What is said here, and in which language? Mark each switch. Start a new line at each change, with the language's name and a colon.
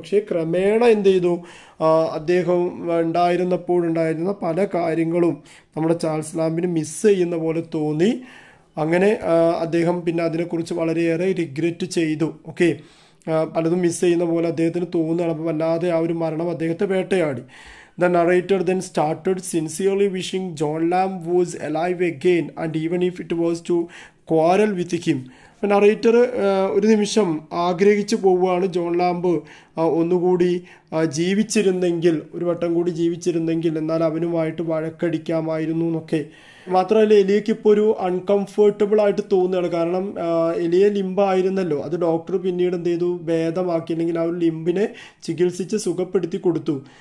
Malayalam: പക്ഷേ ക്രമേണ എന്ത് ചെയ്തു, അദ്ദേഹം ഉണ്ടായിരുന്നപ്പോഴുണ്ടായിരുന്ന പല കാര്യങ്ങളും നമ്മുടെ ചാൾസ് ലാംബിന് മിസ് ചെയ്യുന്ന പോലെ തോന്നി. അങ്ങനെ അദ്ദേഹം പിന്നെ അതിനെക്കുറിച്ച് വളരെയേറെ റിഗ്രറ്റ് ചെയ്തു. ഓക്കെ, പലതും മിസ് ചെയ്യുന്ന പോലെ അദ്ദേഹത്തിന് തോന്നുകയാണ്. അപ്പോൾ വല്ലാതെ ആ ഒരു മരണം അദ്ദേഹത്തെ വേട്ടയാടി.
English: The narrator then started sincerely wishing John Lamb was alive again, and even if it was to quarrel with him.
Malayalam: The narrator ഒരു നിമിഷം ആഗ്രഹിച്ചു പോവുകയാണ്, ജോൺ ലാംബ് ഒന്നുകൂടി ജീവിച്ചിരുന്നെങ്കിൽ, ഒരു വട്ടം കൂടി ജീവിച്ചിരുന്നെങ്കിൽ, എന്നാൽ അവനുമായിട്ട് വഴക്കടിക്കാമായിരുന്നു എന്നൊക്കെ. മാത്രമല്ല എലിയയ്ക്ക് ഇപ്പോൾ ഒരു അൺകംഫർട്ടബിൾ ആയിട്ട് തോന്നുകയാണ്. കാരണം എലിയെ ലിംബായിരുന്നല്ലോ, അത് ഡോക്ടർ പിന്നീട് എന്ത് ചെയ്തു, ഭേദമാക്കി, അല്ലെങ്കിൽ ആ ഒരു ലിംബിനെ ചികിത്സിച്ച് സുഖപ്പെടുത്തി കൊടുത്തു.